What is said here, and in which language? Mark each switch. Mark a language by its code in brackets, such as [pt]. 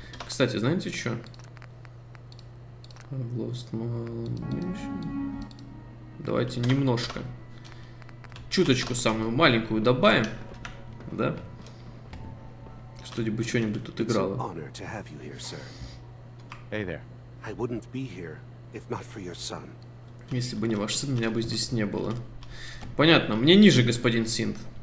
[ru] Кстати, знаете что? [en] I've lost my... [ru] Давайте немножко. Чуточку самую маленькую добавим. Да? Что-нибудь, что-нибудь тут играло. [en] Honor to have you here, sir. Hey there. I wouldn't be here if not for your son. [ru] Если бы не ваш сын, меня бы здесь не было. Понятно, мне ниже, господин Синт.